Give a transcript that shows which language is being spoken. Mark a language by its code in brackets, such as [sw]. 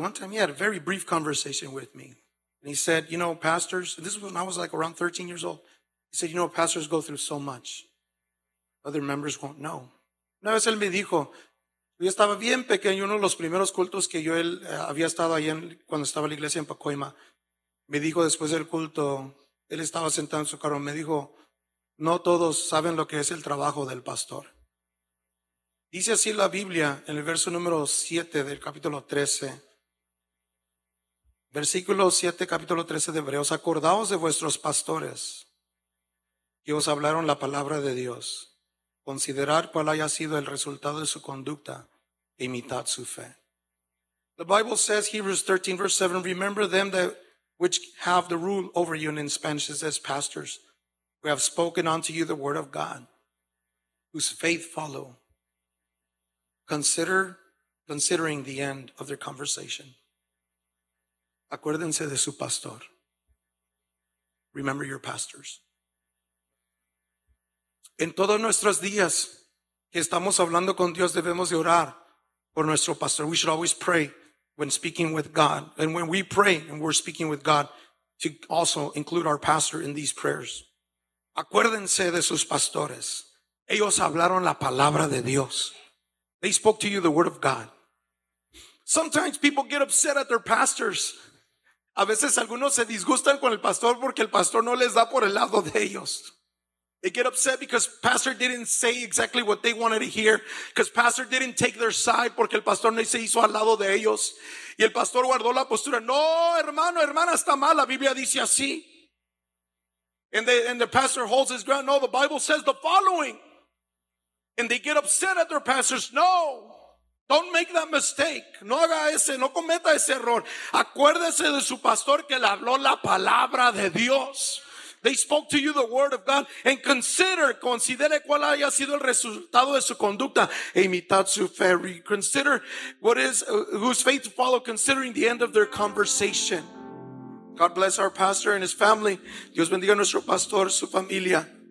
[en] One time he had a very brief conversation with me. And he said, you know, pastors, this was when I was like around 13 years old. He said, you know, pastors go through so much. Other members won't know. [es] Una vez él me dijo, yo estaba bien pequeño, uno de los primeros cultos que yo él había estado ahí en, cuando estaba la iglesia en Pacoima. Me dijo después del culto, él estaba sentado en su carro, me dijo, no todos saben lo que es el trabajo del pastor. Dice así la Biblia en el verso número 7 del capítulo 13. Versículo 7, capítulo 13 de Hebreos. Acordaos de vuestros pastores que os hablaron la palabra de Dios. Considerar cuál haya sido el resultado de su conducta e imitad su fe. [en] The Bible says, Hebrews 13, verse 7, remember them that which have the rule over you, and in Spanish it says pastors, who have spoken unto you the word of God, whose faith follow. Considering the end of their conversation. [es] Acuérdense de su pastor. [en] Remember your pastors. [es] En todos nuestros días que estamos hablando con Dios, debemos de orar por nuestro pastor. [en] We should always pray when speaking with God. And when we pray and we're speaking with God, to also include our pastor in these prayers. [es] Acuérdense de sus pastores. Ellos hablaron la palabra de Dios. [en] They spoke to you the word of God. Sometimes people get upset at their pastors. [es] A veces algunos se disgustan con el pastor porque el pastor no les da por el lado de ellos. [en] They get upset because pastor didn't say exactly what they wanted to hear. Because pastor didn't take their side [es] porque el pastor no se hizo al lado de ellos. Y el pastor guardó la postura. No, hermano, hermana, está mal. La Biblia dice así. [en] And the pastor holds his ground. No, the Bible says the following. And they get upset at their pastors. No, don't make that mistake. [es] No haga ese, no cometa ese error. Acuérdese de su pastor que le habló la palabra de Dios. [en] They spoke to you the word of God. And [es] considere cuál haya sido el resultado de su conducta. E imitad su fe. [en] Consider what is, whose faith to follow, considering the end of their conversation. God bless our pastor and his family. [es] Dios bendiga a nuestro pastor, su familia.